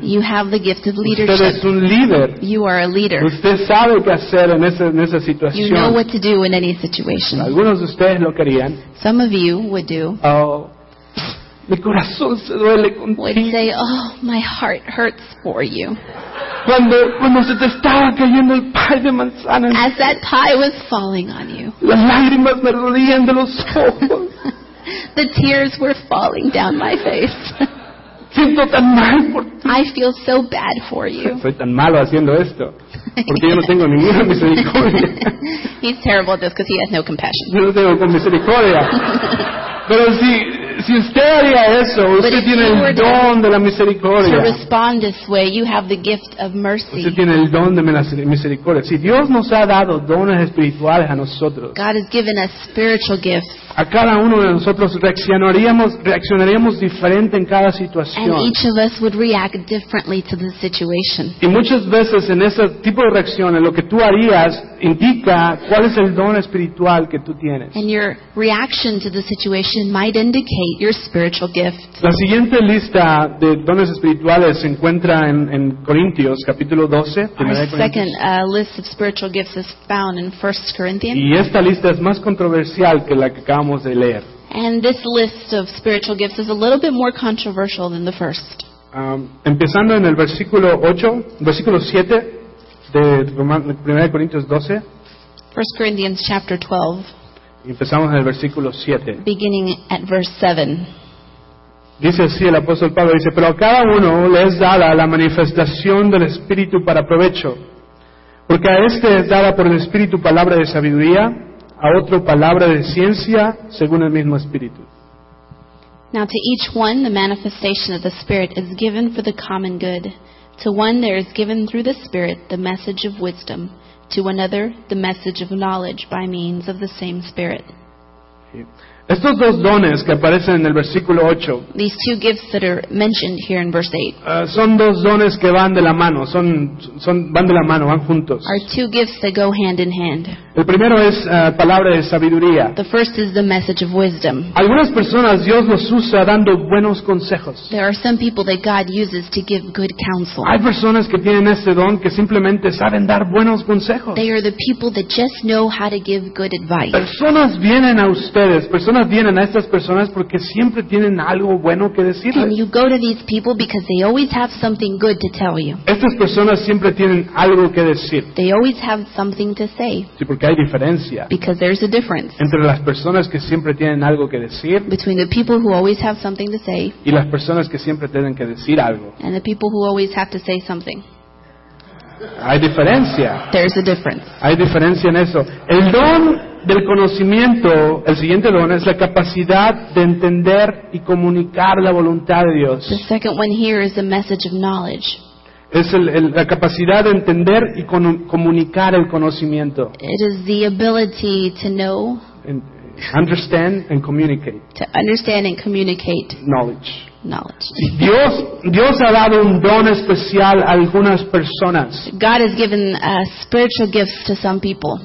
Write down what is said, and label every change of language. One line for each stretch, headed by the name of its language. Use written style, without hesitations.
English: You have the gift of leadership.
Spanish: Usted es un líder.
English: You are a leader.
Spanish: Usted sabe qué hacer en esa situación.
English: You know what to do in any situation.
Spanish: Algunos de ustedes lo querían.
English: Some of you would do.
Spanish: Oh, mi corazón se duele contigo.
English: Would say, oh, my heart hurts for you.
Spanish: Cuando se te estaba cayendo el pie de manzana.
English: As that pie was falling on you.
Spanish: Las lágrimas me rodían de los ojos.
English: The tears were falling down my face.
Spanish: Siento tan mal por ti.
English: I feel so bad for you.
Spanish: Soy tan malo haciendo esto. Porque yo no tengo ninguna misericordia.
English: He's terrible at this because he has no compassion.
Spanish: Yo no tengo misericordia. Pero si usted haría eso, usted tiene el don de la misericordia.
English: To respond this way, you have the gift of mercy.
Spanish: Usted tiene el don de la misericordia. Si Dios nos ha dado dones espirituales a nosotros,
English: God has given us spiritual gifts.
Spanish: A cada uno de nosotros reaccionaríamos diferente en cada situación.
English: And each of us would react differently to the situation.
Spanish: Y muchas veces en ese tipo de reacciones, lo que tú harías indica cuál es el don espiritual que tú tienes.
English: And your reaction to the situation might indicate your spiritual gift.
Spanish: La siguiente lista de dones espirituales se encuentra en Corintios, capítulo 12.
English: Our second list of spiritual gifts is found in 1 Corinthians.
Spanish: Y esta lista es más controversial que la que acabamos de leer.
English: And this list of spiritual gifts is a little bit more controversial than the first.
Spanish: Empezando en el versículo 7, de 1 Corintios 12.
English: 1 Corinthians chapter 12.
Spanish: Empezamos en el versículo 7.
English: Beginning at verse 7.
Spanish: Dice así el apóstol Pablo, dice, pero a cada uno le es dada la manifestación del Espíritu para provecho, porque a este es dada por el Espíritu palabra de sabiduría, a otro palabra de ciencia, según el mismo Espíritu.
English: Now to each one the manifestation of the Spirit is given for the common good. To one there is given through the Spirit the message of wisdom, to another the message of knowledge by means of the same Spirit.
Spanish: Estos dos dones que aparecen en el versículo 8,
English: these two gifts that are mentioned here in verse 8,
Spanish: son dos dones que van de la mano, van de la mano, van juntos.
English: Are two gifts that go hand in hand.
Spanish: El primero es palabra de sabiduría.
English: The first is the message of wisdom.
Spanish: Algunas personas Dios los usa dando buenos consejos.
English: There are some people that God uses to give good counsel.
Spanish: Hay personas que tienen este don que simplemente saben dar buenos consejos.
English: They are the people that just know how to give good advice.
Spanish: Personas vienen a ustedes. Personas vienen a estas personas porque siempre tienen algo bueno que decirles.
English: And you go to these people because they always have something good to tell you.
Spanish: Estas personas siempre tienen algo que decir.
English: They always have something to say.
Spanish: Sí, porque hay diferencia.
English: Because there's a difference.
Spanish: Entre las personas que siempre tienen algo que decir.
English: Between the people who always have something to say.
Spanish: Y las personas que siempre tienen que decir algo.
English: And the people who always have to say something.
Spanish: Hay diferencia.
English: There's a difference.
Spanish: Hay diferencia en eso. El don del conocimiento, el siguiente don es la capacidad de entender y comunicar la voluntad de Dios.
English: The second one here is the message of knowledge.
Spanish: Es la capacidad de entender y comunicar el conocimiento.
English: It is the ability to know. Understand and communicate. To understand and communicate. Knowledge. Knowledge.
Spanish: Dios ha dado un don especial a algunas personas.
English: God has given spiritual gifts to some people.